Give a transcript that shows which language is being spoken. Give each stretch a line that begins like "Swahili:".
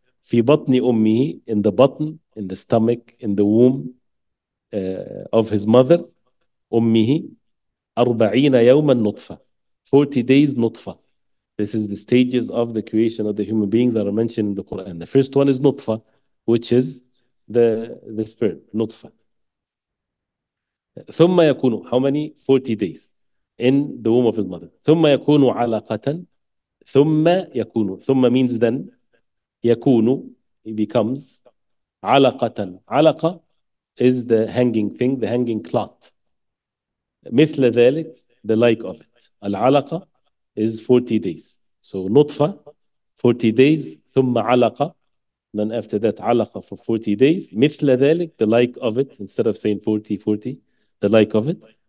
English: Fi batni ummihi, in the batn, in the stomach, in the womb of his mother, ummihi, 40 yawman nutfa, 40 days nutfa. This is the stages of the creation of the human beings that are mentioned in the Quran. The first one is nutfa, which is the sperm, nutfa.
Arabic: ثُمَّ يَكُونُ,
English: how many? 40 days in the womb of his mother.
Arabic: ثُمَّ يَكُونُ عَلَقَةً. ثُمَّ يَكُونُ, ثُمَّ
English: means then. يَكُونُ, he becomes. عَلَقَةً, عَلَقَة is the hanging thing, the hanging cloth.
Arabic: مِثْلَ ذَلِك,
English: the like of it. العلقة is 40 days. So nutfa, 40 days, thumma alaqa, then after that alaqa for 40 days, mithla dhalik, the like of it, instead of saying 40, the like of it.